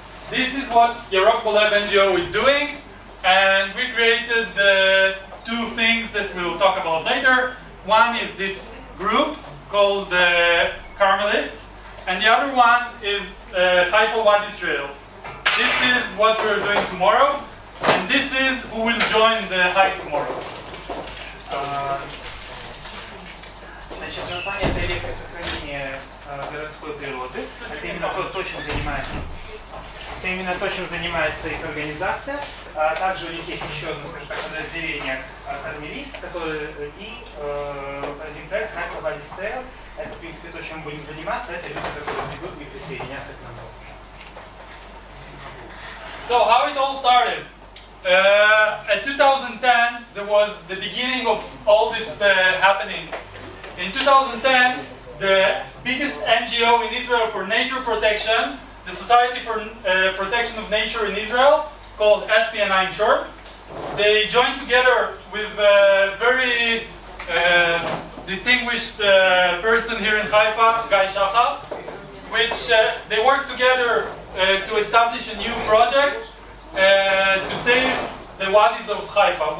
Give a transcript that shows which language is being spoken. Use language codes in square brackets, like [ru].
[en] This is what Yarok Balev NGO is doing, and we created the two things that we'll talk about later. One is this group called the Carmelists, and the other one is Haifa Wadis Trail. This is what we're doing tomorrow, and this is who will join the hike tomorrow. So, [ru] значит, на самом деле это лекция сохранения городской природы. Это именно то, чем занимается. Это именно то, чем занимается их организация. Также у них есть еще одно, скажем так, подразделение «Кармелист», которое и один проект «Хайфа Вади Стейл». Это, в принципе, то, чем мы будем заниматься. Это люди, которые не будут присоединяться к нам. [en] So how it all started? At 2010, there was the beginning of all this happening. In 2010, the biggest NGO in Israel for nature protection, the Society for Protection of Nature in Israel, called SPNI in short, they joined together with a very distinguished person here in Haifa, Guy Shaha, which they worked together to establish a new project to save the Wadis of Haifa.